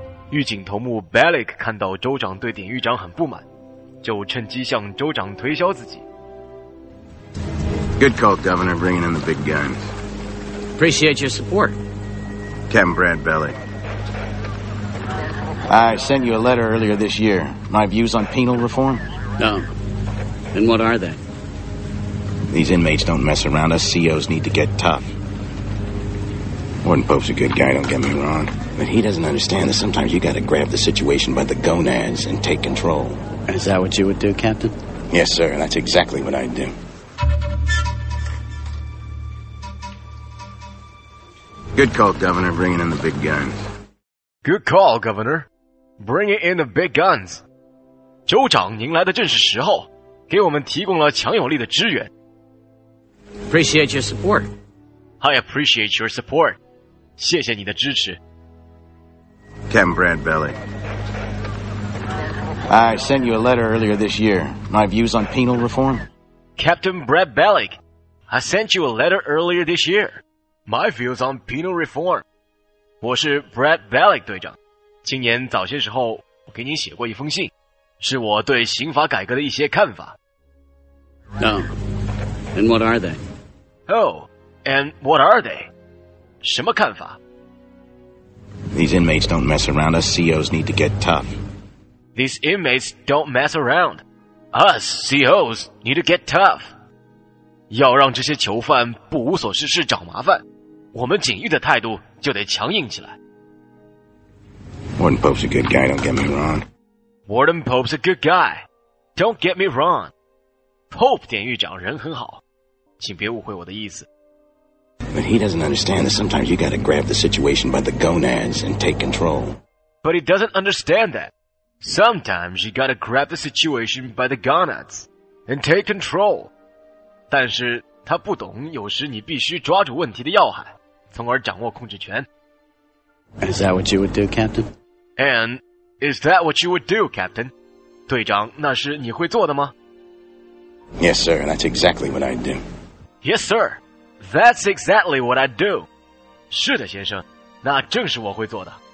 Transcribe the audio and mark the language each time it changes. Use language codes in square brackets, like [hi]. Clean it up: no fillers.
[zh] 狱警头目 Balik 看到州长对典狱长很不满，就趁机向州长推销自己。 [en] Good call, Governor, bringing in the big guns. Appreciate your support. Captain Brad Balik. I sent you a letter earlier this year. My views on penal reform? No. And what are they? These inmates don't mess around. Us COs need to get tough. Warden Pope's a good guy, don't get me wrong. But he doesn't understand that sometimes you gotta grab the situation by the gonads and take control. Is that what you would do, Captain? Yes, sir. That's exactly what I'd do. Good call, Governor. Bringing in the big guns. Good call, Governor. Bringing in the big guns. [zh] 州长，您来的正是时候，给我们提供了强有力的支援。 [en] Appreciate your support. I appreciate your support. [zh] 谢谢你的支持。 [en] Captain Brad Balik. I sent you a letter earlier this year. My views on penal reform? Captain Brad Balik. I sent you a letter earlier this year. My views on penal reform. [zh] 我是 Brad Balik 队长。今年早些时候我给你写过一封信，是我对刑法改革的一些看法。 [en] No. And what are they? Oh, and what are they? [zh] 什么看法？ [en] These inmates don't mess around. Us COs need to get tough. These inmates don't mess around. Us COs need to get tough. [zh] 要让这些囚犯不无所事事找麻烦，我们警狱的态度就得强硬起来。 [en] Warden Pope's a good guy. Don't get me wrong. Warden Pope's a good guy. Don't get me wrong. [zh] Pope 典狱长人很好，请别误会我的意思。 [en] But he doesn't understand that sometimes you gotta grab the situation by the gonads and take control. But he doesn't understand that. Sometimes you gotta grab the situation by the gonads and take control. [zh] 但是他不懂有时你必须抓住问题的要害，从而掌握控制权。 [en] Is that what you would do, Captain? And is that what you would do, Captain? [zh] 队长，那是你会做的吗？ [en] Yes, sir. That's exactly what I'd do. Yes, sir. That's exactly what I do. [zh] 是的，先生，那正是我会做的。